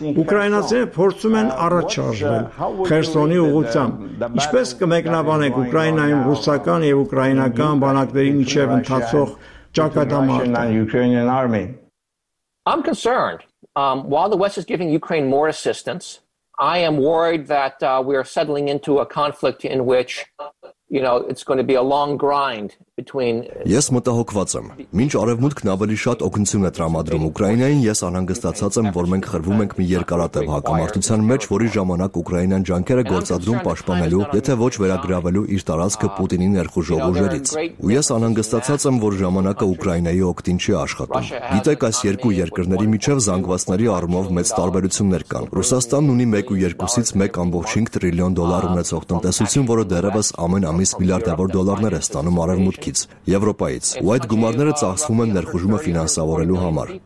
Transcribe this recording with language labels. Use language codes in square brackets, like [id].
[hy] Ուկրաինացիները փորձում են առաջարարել Խերսոնի ուղղությամբ։ Ինչպես կմեկնաբանեք Ուկրաինայում ռուսական եւ ուկրաինական բանակների միջև ընթացող ճակատամարտը? [en] I'm concerned. While the West is giving Ukraine more assistance, I am worried that we are settling into a conflict in which it's going to be a long grind between. [hy] Ես մտահոգված եմ։ Մինչ արևմուտքն ավելի շատ օգնություն է տրամադրում Ուկրաինային, ես անհանգստացած եմ, որ մենք խրվում ենք մի երկարատև հակամարտության մեջ, որի ժամանակ Ուկրաինան ջանքերը գործադրում պաշտպանելու, եթե ոչ վերագրավելու իր տարածքը Պուտինի ներխուժող ուժերից։ Ու ես անհանգստացած եմ, որ ժամանակը Ուկրաինայի օգտին չի աշխատում։ Գիտեք, այս երկու երկրների միջև զանգվածների առումով մեծ տարբերություններ կան։ Ռուսաստանն ունի 1.2-ից 1.5 տրիլիոն դոլար ունեցող տնտեսություն, որը դեռևս ամեն ամիս միլիարդավոր դոլարներ է ստանում արևմուտքից, Եվրոպայից, ու այդ գումարները ծախսվում են ներխուժումը ֆինանսավորելու համար։